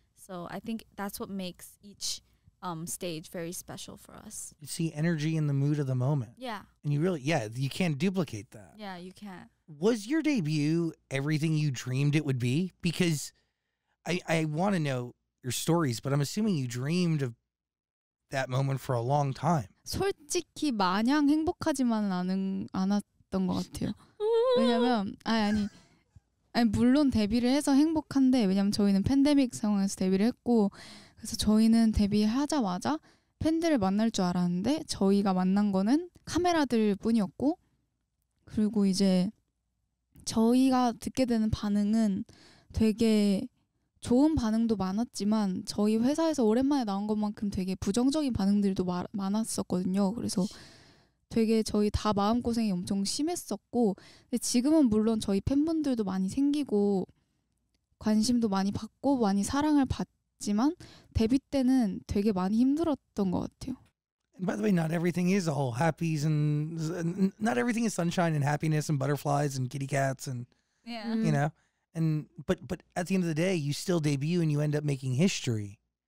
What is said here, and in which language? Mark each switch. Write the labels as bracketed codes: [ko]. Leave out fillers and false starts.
[en] So I think that's what makes each stage very special for us. You see energy in the mood of the moment. Yeah. And you really, yeah, you can't duplicate that. Yeah, you can't. Was your debut everything you dreamed it would be? Because I want to know your stories, but I'm assuming you dreamed of that moment for a long time. [ko] 솔직히 마냥 행복하지만은 않았던 것 같아요. 왜냐면 아니 물론 데뷔를 해서 행복한데 왜냐면 저희는 팬데믹 상황에서 데뷔를 했고 그래서 저희는 데뷔하자마자 팬들을 만날 줄 알았는데 저희가 만난 거는 카메라들 뿐이었고 그리고 이제 저희가 듣게 되는 반응은 되게 좋은 반응도 많았지만 저희 회사에서 오랜만에 나온 것만큼 되게 부정적인 반응들도 많았었거든요. 그래서 되게 저희 다 마음고생이 엄청 심했었고 근데 지금은 물론 저희 팬분들도 많이 생기고 관심도 많이 받고 많이 사랑을 받지만 데뷔 때는 되게 많이 힘들었던 것 같아요. [en] By the way, not everything is all happies and not everything is sunshine and happiness and butterflies and kitty cats and yeah. You know. And but at the end of the day, you still debut and you end up making history.